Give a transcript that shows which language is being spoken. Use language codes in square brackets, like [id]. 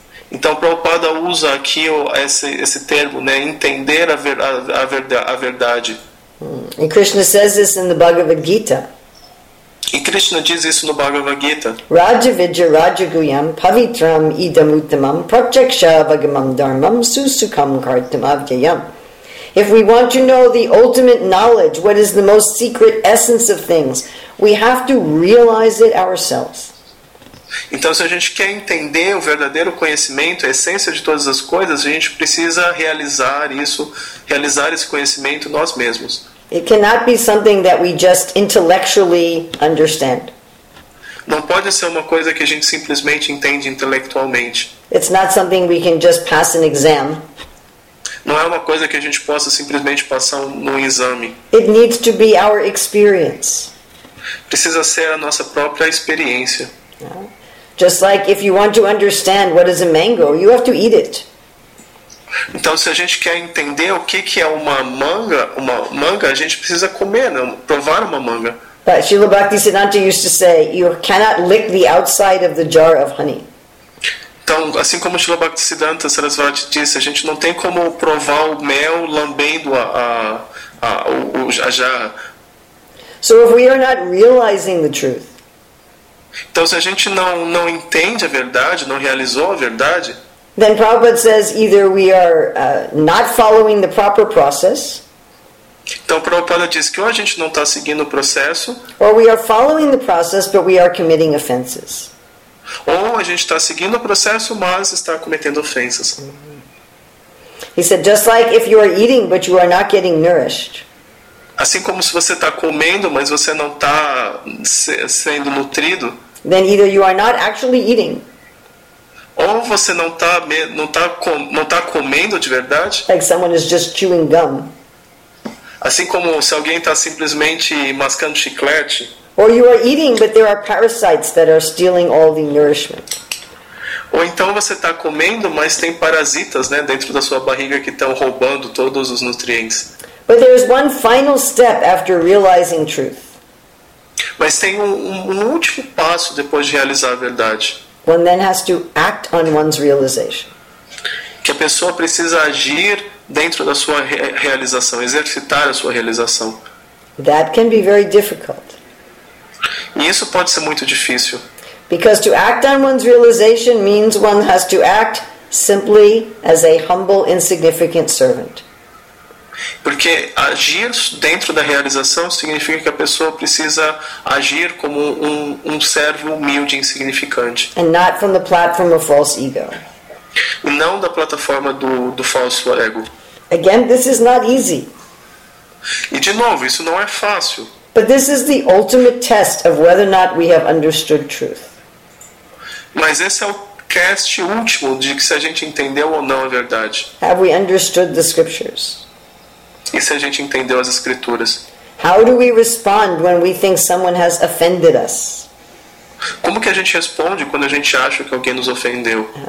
[pt] Então Prabhupada usa aqui esse termo, né, entender a verdade. [en] And Krishna says this in the Bhagavad Gita. [pt] E Krishna diz isso no Bhagavad Gita. [sa] Rajavidya rajaguyam pavitram idam uttamam prachaksha vagamam dharmam susukam kartam avyayam. [en] If we want to know the ultimate knowledge, what is the most secret essence of things, we have to realize it ourselves. [pt] Então, se a gente quer entender o verdadeiro conhecimento, a essência de todas as coisas, a gente precisa realizar esse conhecimento nós mesmos. [en] It cannot be something that we just intellectually understand. [pt] Não pode ser uma coisa que a gente simplesmente entende intelectualmente. [en] It's not something we can just pass an exam. [pt] Não é uma coisa que a gente possa simplesmente passar num exame. [en] It needs to be our experience. [pt] Precisa ser a nossa própria experiência. [en] Just like if you want to understand what is a mango, you have to eat it. [pt] Então, se a gente quer entender o que é uma manga, a gente precisa comer, né? Provar uma manga. [en] But Srila Bhaktisiddhanta used to say, you cannot lick the outside of the jar of honey. [pt] Então, assim como Srila Bhaktisiddhanta Sarasvati disse, a gente não tem como provar o mel lambendo a jarra. [en] So if we are not realizing the truth. [pt] Então, se a gente não entende a verdade, não realizou a verdade, [en] then Prabhupada says either we are not following the proper process. [pt] Então Prabhupada diz que ou a gente não está seguindo o processo, [en] or we are following the process but we are committing offenses. [pt] Ou a gente está seguindo o processo, mas está cometendo ofensas. Mm-hmm. [en] He said, just like if you are eating but you are not getting nourished. [pt] Assim como se você está comendo, mas você não está sendo nutrido. [en] Then either you are not actually eating. [pt] Ou você não tá comendo de verdade. [en] Like someone is just chewing gum. [pt] Assim como se alguém está simplesmente mascando chiclete. [en] Or you are eating, but there are parasites that are stealing all the nourishment. [pt] Ou então você está comendo, mas tem parasitas, né, dentro da sua barriga que estão roubando todos os nutrientes. [en] But there is one final step after realizing truth. [pt] Mas tem um último passo depois de realizar a verdade. [en] One then has to act on one's realization. [pt] Que a pessoa precisa agir dentro da sua realização, exercitar a sua realização. [en] That can be very difficult. [pt] E isso pode ser muito difícil. [en] Because to act on one's realization means one has to act simply as a humble, insignificant servant. [pt] Porque agir dentro da realização significa que a pessoa precisa agir como um servo humilde e insignificante. [en] And not from the platform of false ego. [pt] E não da plataforma do falso ego. [en] Again, this is not easy. [pt] E de novo, isso não é fácil. [en] But this is the ultimate test of whether or not we have understood truth. [pt] Mas esse é o teste último de se a gente entendeu ou não a verdade. [en] Have we understood the scriptures? [pt] E se a gente entendeu as escrituras? [en] How do we respond when we think someone has offended us? [pt] Como que a gente responde quando a gente acha que alguém nos ofendeu?